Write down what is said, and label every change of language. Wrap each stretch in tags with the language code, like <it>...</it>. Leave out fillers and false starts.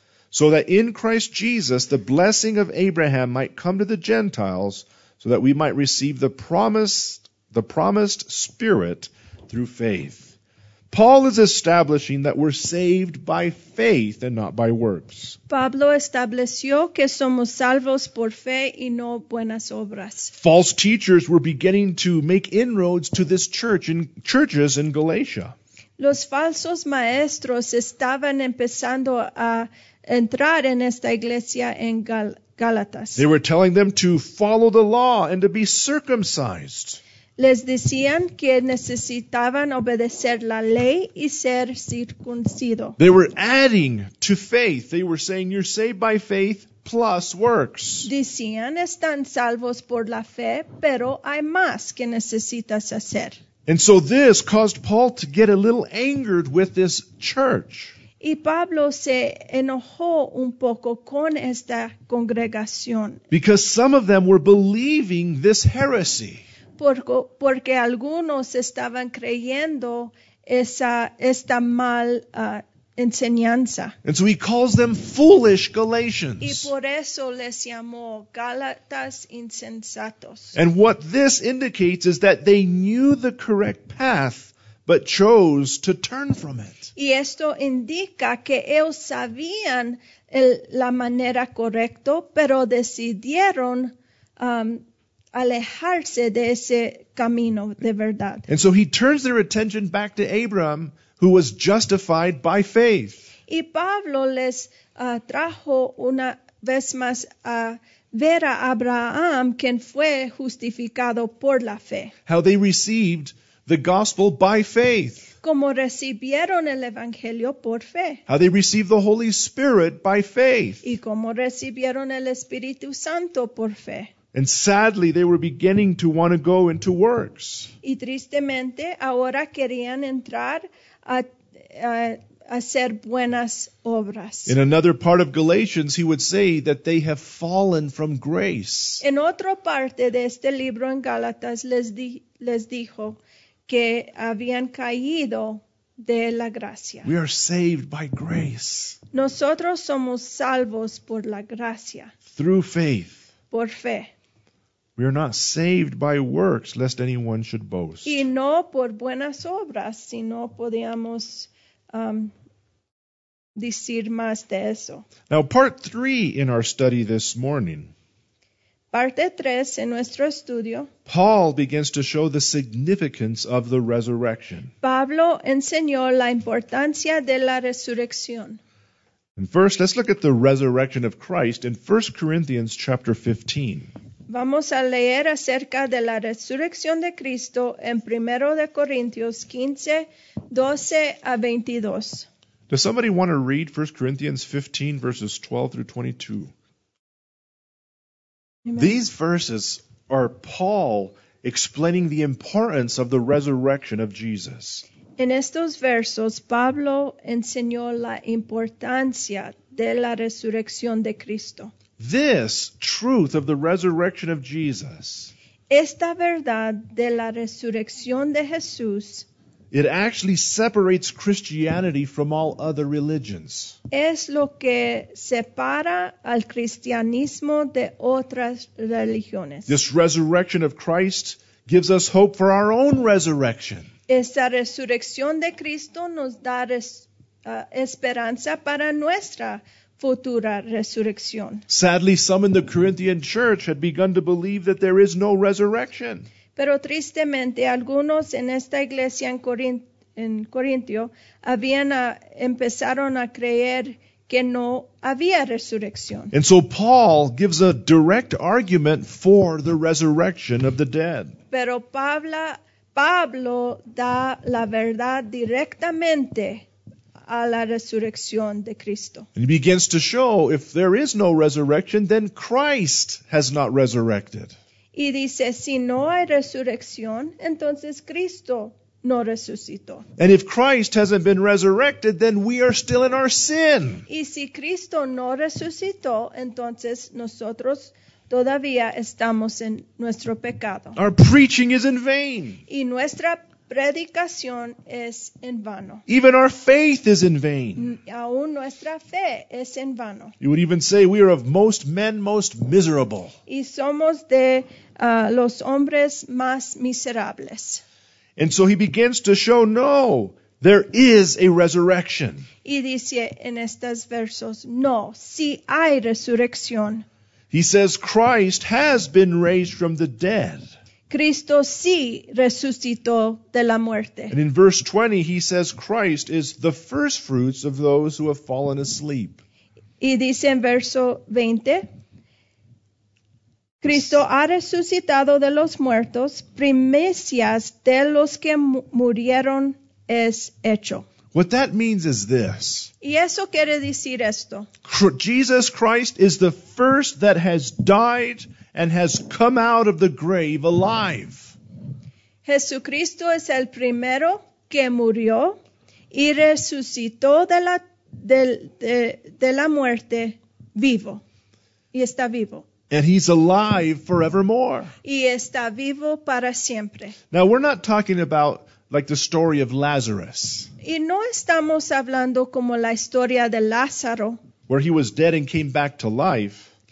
<en>So that in Christ Jesus the blessing of Abraham might come to the Gentiles, so that we might receive the promised Spirit through faith." Paul is establishing that we're saved by faith and not by works.</en> <es>Pablo estableció que somos salvos por fe y no buenas obras.</es> <en>False teachers were beginning to make inroads to this church in churches in Galatia.</en> <es>Los falsos maestros estaban empezando a entrar en esta iglesia en Gálatas.</es> <en>They were telling them to follow the law and to be circumcised.</en> <es>Les decían que necesitaban obedecer la ley y ser circuncido.</es> <en>They were adding to faith. They were saying, "You're saved by faith plus works."</en> <es>Decían, están salvos por la fe, pero hay más que necesitas hacer.</es> <en>And so this caused Paul to get a little angered with this church.</en> <es>Y Pablo se enojó un poco con esta congregación.</es> <en>Because some of them were believing this heresy.</en> <es>Porque algunos estaban creyendo esta mal enseñanza.</es> <en>And so he calls them foolish Galatians.</en> <es>Y por eso les llamó Gálatas insensatos.</es> <en>And what this indicates is that they knew the correct path, but chose to turn from it.</en> <es>Y esto indica que ellos sabían la manera correcta, pero decidieron alejarse de ese camino de verdad.</es> <en>And so he turns their attention back to Abraham, who was justified by faith.</en> <es>Y Pablo les trajo una vez más a ver a Abraham, quien fue justificado por la fe.</es> <en>How they received the gospel by faith.</en> <es>Como recibieron el evangelio por fe.</es> <en>How they received the Holy Spirit by faith.</en> <es>Y como recibieron el Espíritu Santo por fe.</es> <en>And sadly, they were beginning to want to go into works.</en> <es>Y tristemente, ahora querían entrar a hacer buenas obras.</es> <en>In another part of Galatians, he would say that they have fallen from grace.</en> <es>En otra parte de este libro en Gálatas, les dijo que habían caído de la gracia.</es> <en>We are saved by grace.</en> <es>Nosotros somos salvos por la gracia.</es> <en>Through faith.</en> <es>Por fe.</es> <en>We are not saved by works, lest anyone should boast.</en> <es>Y no por buenas obras, sino podíamos decir más de eso.</es> <en>Now, part three in our study this morning.</en> <es>Parte tres en nuestro estudio.</es> <en>Paul begins to show the significance of the resurrection.</en> <es>Pablo enseñó la importancia de la resurrección.</es> <en>And first, let's look at the resurrection of Christ in 1 Corinthians chapter 15.</en> <es>Vamos a leer acerca de la resurrección de Cristo en 1 de Corintios 15, 12 a 22.</es> <en>Does somebody want to read 1 Corinthians 15, verses 12 through 22? Amen. These verses are Paul explaining the importance of the resurrection of Jesus.</en> <es>En estos versos, Pablo enseñó la importancia de la resurrección de Cristo.</es> <en>This truth of the resurrection of Jesus.</en> <es>Esta verdad de la resurrección de Jesús.</es> <en>It actually separates Christianity from all other religions.</en> <es>Es lo que separa al cristianismo de otras religiones.</es> <en>This resurrection of Christ gives us hope for our own resurrection.</en> <es>Esta resurrección de Cristo nos da esperanza para nuestra futura resurrección.</es> <en>Sadly, some in the Corinthian church had begun to believe that there is no resurrection.</en> <es>Pero tristemente, algunos en esta iglesia en Corintio empezaron a creer que no había resurrección.</es> <en>And so Paul gives a direct argument for the resurrection of the dead.</en> <es>Pero Pablo da la verdad directamente a la resurrección de Cristo.</es> <en>And he begins to show if there is no resurrection, then Christ has not resurrected.</en> <es>Y dice, si no hay resurrección, entonces Cristo no resucitó.</es> <en>And if Christ hasn't been resurrected, then we are still in our sin.</en> <es>Y si Cristo no resucitó, entonces nosotros todavía estamos en nuestro pecado.</es> <en>Our preaching is in vain.</en> <es>Y nuestra predicación es en vano.</es> <en>Even our faith is in vain.</en> <es>Aún nuestra fe es en vano.</es> <en>You would even say we are of most men most miserable.</en> <es>Y somos de los hombres más miserables.</es> <en>And so he begins to show, no, there is a resurrection.</en> <es>Y dice en estos versos, no, sí hay resurrección.</es> <en>He says Christ has been raised from the dead.</en> <es>Cristo sí resucitó de la muerte.</es> <en>And in verse 20, he says Christ is the first fruits of those who have fallen asleep.</en> <es>Y dice en verso 20, Cristo ha resucitado de los muertos, primicias de los que murieron es hecho.</es> <en>What that means is this.</en> <es>Y eso quiere decir esto.</es> <en>Jesus Christ is the first that has died and has come out of the grave alive.</en> <es>Jesucristo es el primero que murió y resucitó de la de la muerte vivo. Y está vivo.</es> <en>And he's alive forevermore.</en> <es>Y está vivo para siempre.</es> <en>Now, we're not talking about like the story of Lazarus.</en> <es>Y no estamos hablando como la historia de Lázaro.</es> <en>Where he was dead and came back to life.</en>